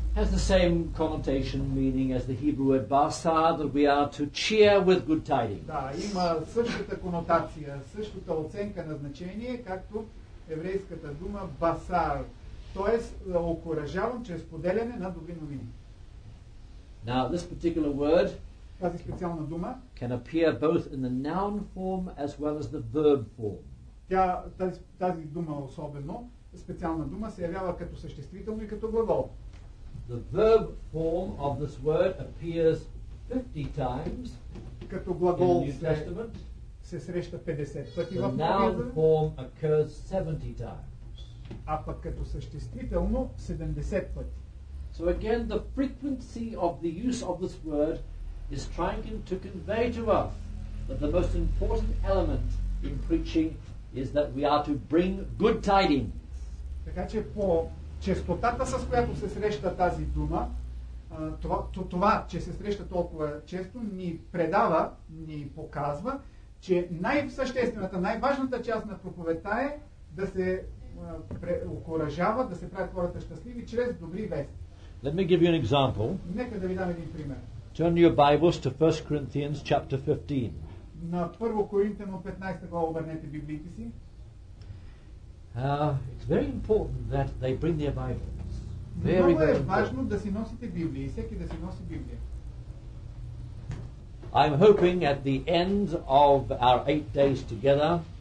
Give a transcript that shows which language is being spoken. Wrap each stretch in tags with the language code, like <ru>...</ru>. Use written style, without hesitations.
<en>Has the same connotation meaning as the Hebrew word basar, that we are to cheer with good tidings.</en> <bg>Да, има същата конотация, същата оценка на значение, както еврейската дума басар. Тоест, окуражавам чрез поделяне на добри новини.</bg> <en>Now, this particular word,</en> <bg>тази специална дума,</bg> <en>can appear both in the noun form as well as the verb form.</en> <bg>Тази дума особено, специална дума, се явява като съществително и като глагол.</bg> <en>The verb form of this word appears 50 times</en> <bg>като глагол</bg> <en>in the New Testament.</en> <bg>Се среща 50 пъти в Новия Завет.</bg> <en>Form occurs 70 times.</en> <bg>А пък като съществително 70 пъти.</bg> <en>So again, the frequency of the use of this word is trying to convey to us that the most important element in preaching is that we are to bring good tidings.</en> <bg>Така че по честотата, с която се среща тази дума, това, че се среща толкова често, ни предава, ни показва, че най-съществената, най-важната част на проповедта е да се окуражава, да се правят хората щастливи чрез добри вести.</bg> <en>Let me give you an example.</en> <bg>Нека да ви дам един пример.</bg> <en>Turn your Bibles to 1 Corinthians chapter 15.</en> <bg>На 1 Коринтяно 15 глава обърнете библиите си.</bg> <en>It's very important that they bring their Bibles.</en> <bg>Много е важно да си носите библии, всеки да си носи библия.</bg> <en>I'm hoping at the end of our 8 days together.</en>